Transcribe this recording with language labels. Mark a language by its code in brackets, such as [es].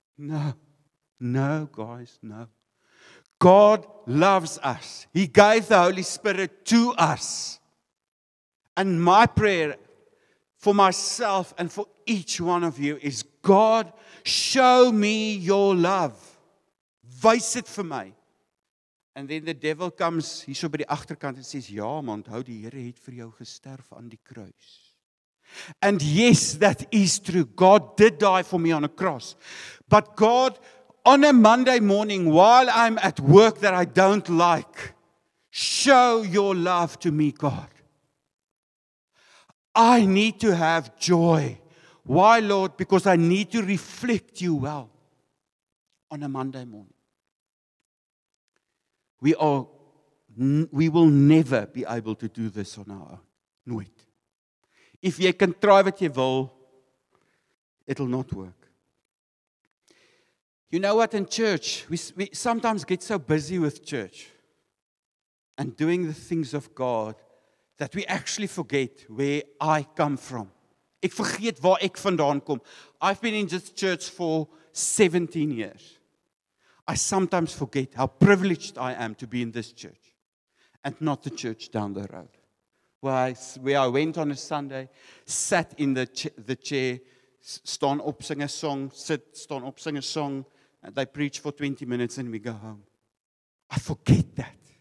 [en] No, no, guys, no. God loves us. He gave the Holy Spirit to us. And my prayer for myself and for each one of you is, God, show me your love. [af] Wys dit vir my. [en] And then the devil comes [af] hierso by die agterkant en sê, ja, maar onthou die Here het vir jou gesterf aan die kruis. [en] And yes, that is true. God did die for me on a cross. But God, on a Monday morning, while I'm at work that I don't like, show your love to me, God. I need to have joy. Why, Lord? Because I need to reflect you well on a Monday morning. We will never be able to do this on our own. [af] Nooit. [en] If [af] jy kan [en] try [af] wat jy wil, [en] it'll not work. You know what, in church, we sometimes get so busy with church and doing the things of God that we actually forget where I come from. [af] Ek vergeet waar ek vandaan kom. [en] I've been in this church for 17 years. I sometimes forget how privileged I am to be in this church and not the church down the road. Where I went on a Sunday, sat in the chair, [af] staan op, [en] sing a song, sit, staan op, sing a song, and they preach for 20 minutes and we go home. I forget that.